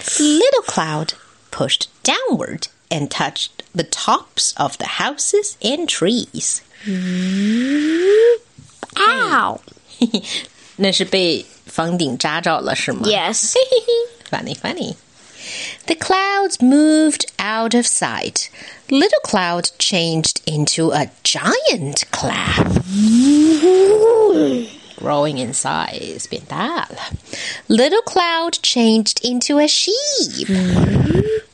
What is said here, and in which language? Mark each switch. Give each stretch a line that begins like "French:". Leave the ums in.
English: Little cloud pushed downward and touched the tops of the houses and trees. Ow!
Chinese: 那是被方顶扎着了,是吗?
English: Yes. funny, funny. The clouds moved out of sight. Little cloud changed into a giant cloud. Mm -hmm. Growing in size.
Chinese: 变大了.
English: Little cloud changed into a sheep. Mm -hmm.